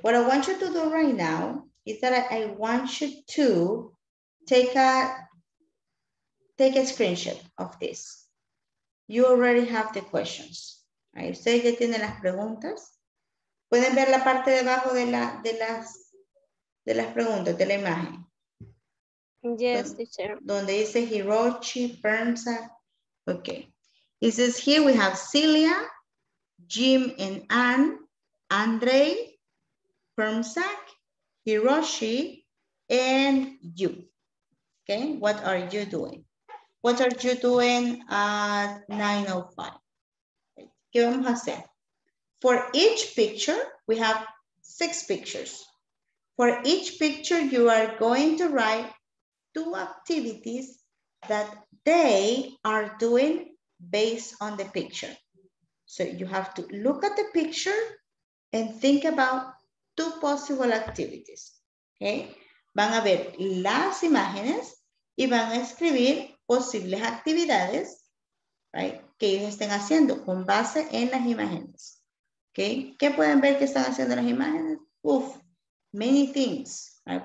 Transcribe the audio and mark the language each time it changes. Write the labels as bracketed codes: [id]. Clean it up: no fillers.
[en] What I want you to do right now is that I want you to take a screenshot of this. You already have the questions. [es] Ahí ustedes ya tienen las preguntas. Pueden ver la parte de abajo de la de las preguntas de la imagen. [en] Yes, teacher. [es] Donde dice Hiroshi, Bernsa. Okay. [en] It says here we have Celia, Jim and Ann, Andrei, Permsak, Hiroshi, and you. Okay, what are you doing? What are you doing at 9:05? [es] ¿Qué vamos a hacer? [en] For each picture, we have 6 pictures. For each picture, you are going to write 2 activities that they are doing based on the picture. So you have to look at the picture and think about 2 possible activities. Okay? [es] Van a ver las imágenes y van a escribir posibles actividades, right, que ellos estén haciendo con base en las imágenes. Okay. ¿Qué pueden ver que están haciendo las imágenes? Uf, [en] many things. [es] Right.